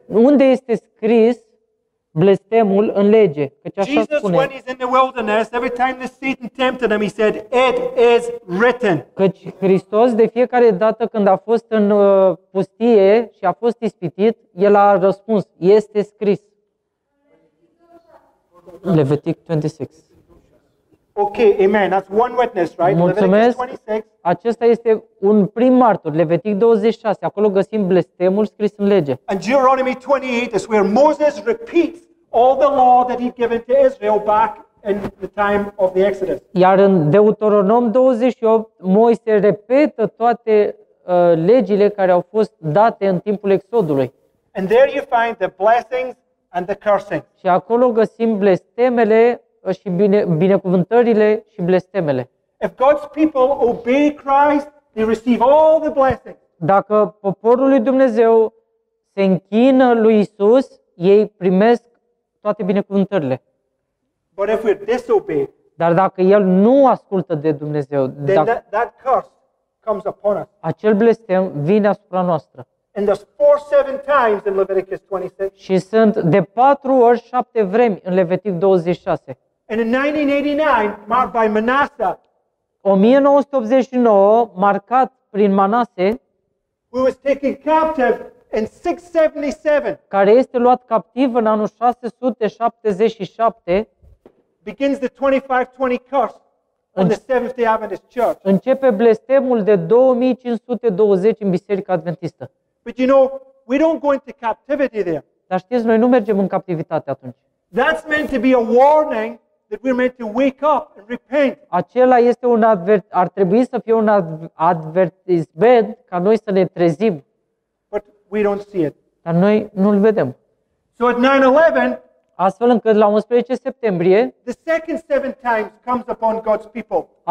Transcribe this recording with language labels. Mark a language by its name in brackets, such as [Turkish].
[Romanian] Unde este scris blestemul în lege? Căci așa [English] Jesus, [Romanian] spune. [English] When he's in the wilderness, every time the Satan tempted him, he said, it is written. [Romanian] Căci Hristos, de fiecare dată când a fost în pustie și a fost ispitit, el a răspuns, este scris. Levitic 26. [English] Okay, amen. That's one witness, right? [Romanian] Mulțumesc. Levitic 26. Acesta este un prim martor, Levitic 26. Acolo găsim blestemul scris în lege. [English] And Deuteronomy 28 is where Moses repeats all the law that he'd given to Israel back in the time of the Exodus. [Romanian] Iar în Deuteronom 28, Moise repetă toate legile care au fost date în timpul Exodului. [English] And there you find the blessings and the cursing. [Romanian] Și acolo găsim blestemele și binecuvântările și blestemele. [English] If God's people obey Christ, they receive all the blessings. [Romanian] Dacă poporul lui Dumnezeu se închină lui Isus, ei primesc toate binecuvântările. [English] But if we disobey, [Romanian] dar dacă el nu ascultă de Dumnezeu, [English] that curse comes upon us. [Romanian] Acel blestem vine asupra noastră. [English] And there's 4-7 times in Leviticus 26. [Romanian] Și sunt de 4 ori 7 vremi în Levitic 26. [English] And in 1989, marked by Manasseh. [Romanian] 1989, marcat prin Manase. [English] Who was taken captive in 677. [Romanian] Care este luat captiv în anul 677. [English] Begins the 2520 curse. On the Seventh-day Adventist Church. [Romanian] Începe blestemul de 2520 în Biserica Adventistă. [English] But you know, we don't go into captivity there. [Romanian] Dar știți, noi nu mergem în captivitate atunci. [English] That's meant to be a warning that we're meant to wake up and repent. [Romanian] Acela este un ar trebui să fie un [English] advertisement [Romanian] ca noi să ne trezim. [English] But we don't see it. [Romanian] Dar noi nu-l vedem. [English] So at 9/11, [Romanian] astfel încât la 11 septembrie, [English] the second seven times comes upon God's people.